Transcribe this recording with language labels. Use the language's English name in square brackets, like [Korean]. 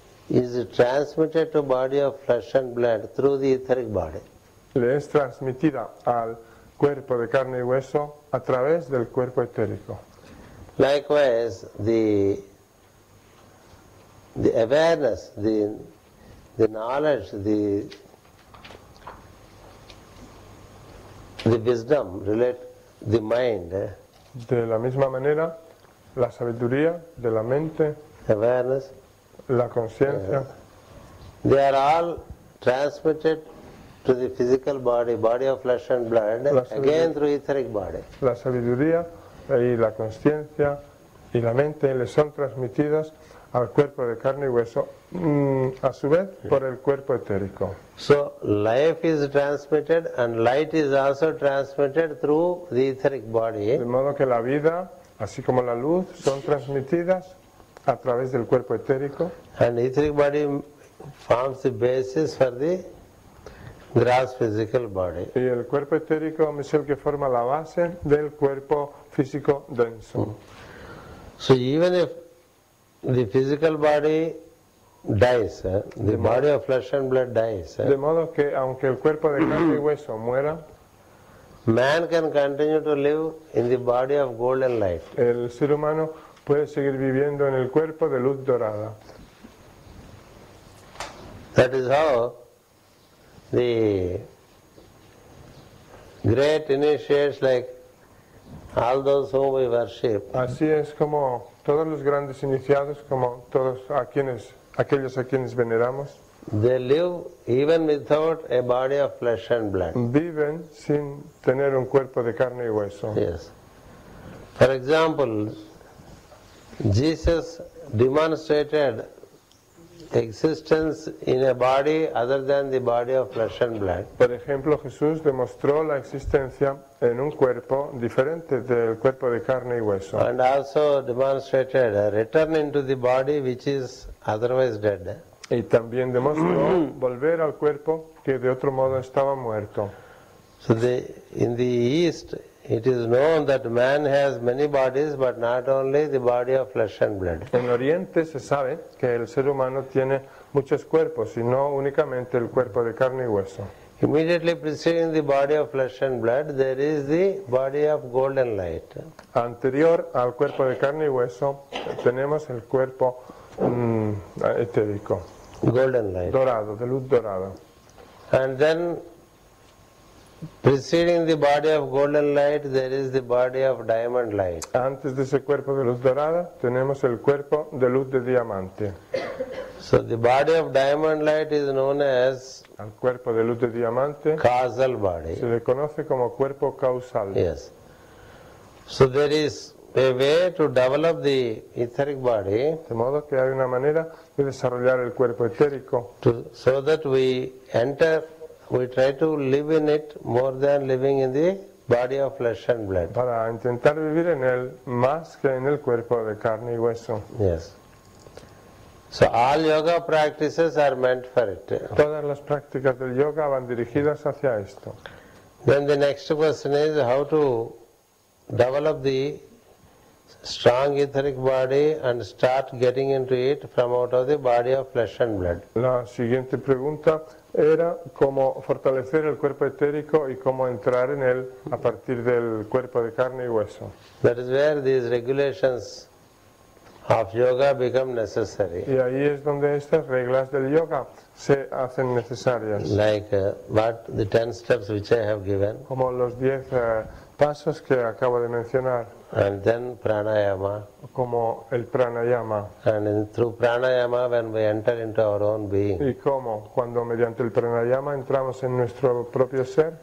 [English] is transmitted to body of flesh and blood through the etheric body. [Spanish] Le es transmitida al cuerpo de carne y hueso a través del cuerpo etérico. [English] Likewise, the awareness, the knowledge, the wisdom, relate the mind. [Spanish] De la misma manera. La sabiduría de la mente, [English] awareness, [Spanish] la conciencia, [English] they are all transmitted to the physical body, body of flesh and blood, again through etheric body. [Spanish] La sabiduría y la conciencia y la mente le son transmitidas al cuerpo de carne y hueso, a su vez por el cuerpo etérico. [English] So life is transmitted and light is also transmitted through the etheric body. [Spanish] De modo que la vida, así como la luz, son transmitidas a través del cuerpo etérico. [English] And etheric body forms the basis for the gross physical body. [Spanish] Y el cuerpo etérico es el que forma la base del cuerpo físico denso. [English] So even if the physical body dies, the body of flesh and blood dies. [Spanish] De modo que aunque el cuerpo de carne y hueso muera, [English] man can continue to live in the body of golden light. [Spanish] El ser humano puede seguir viviendo en el cuerpo de luz dorada. [English] That is how the great initiates, like all those whom we worship. [Spanish] Así es como todos los grandes iniciados, como todos aquellos a quienes veneramos, [English] they live even without a body of flesh and blood. [Spanish] Viven sin tener un cuerpo de carne y hueso. [English] Yes. For example, Jesus demonstrated existence in a body other than the body of flesh and blood. [Spanish] Por ejemplo, Jesús demostró la existencia en un cuerpo diferente del cuerpo de carne y hueso. [English] And also demonstrated a return into the body which is otherwise dead. [Spanish] Y también demostró volver al cuerpo que de otro modo estaba muerto. [English] So in the East, it is known that man has many bodies, but not only the body of flesh and blood. [Spanish] En Oriente se sabe que el ser humano tiene muchos cuerpos, y no únicamente el cuerpo de carne y hueso. [English] Immediately preceding the body of flesh and blood, there is the body of golden light. [Spanish] Anterior al cuerpo de carne y hueso, tenemos el cuerpo etérico. [English] Golden light. [Spanish] Dorado, de luz dorada. [English] And then, preceding the body of golden light, there is the body of diamond light. [Spanish] Antes de ese cuerpo de luz dorada, tenemos el cuerpo de luz de diamante. [English] So the body of diamond light is known as [Spanish] al cuerpo de luz de diamante, [English] causal body. [Spanish] Se le conoce como cuerpo causal. [English] Yes. So there is a way to develop the etheric body. [Spanish] De modo que hay una manera de desarrollar el cuerpo etérico. [English] So that we enter. We try to live in it more than living in the body of flesh and blood. [Spanish] Para intentar vivir en él más que en el cuerpo de carne y hueso. [English] Yes. So all yoga practices are meant for it. [Spanish] Todas las prácticas del yoga van dirigidas hacia esto. [English] Then the next question is how to develop the strong etheric body and start getting into it from out of the body of flesh and blood. [Spanish] La siguiente pregunta era cómo fortalecer el cuerpo etérico y cómo entrar en él a partir del cuerpo de carne y hueso. [English] That is where these regulations of yoga become necessary. [Spanish] Y ahí es donde estas reglas del yoga se hacen necesarias. [English] Like what the 10 steps which I have given. [Spanish] Como los 10 pasos que acabo de mencionar. [English] And then pranayama. [Spanish] Como el pranayama. [English] And through pranayama when we enter into our own being. [Spanish] Y cómo, cuando mediante el pranayama entramos en nuestro propio ser.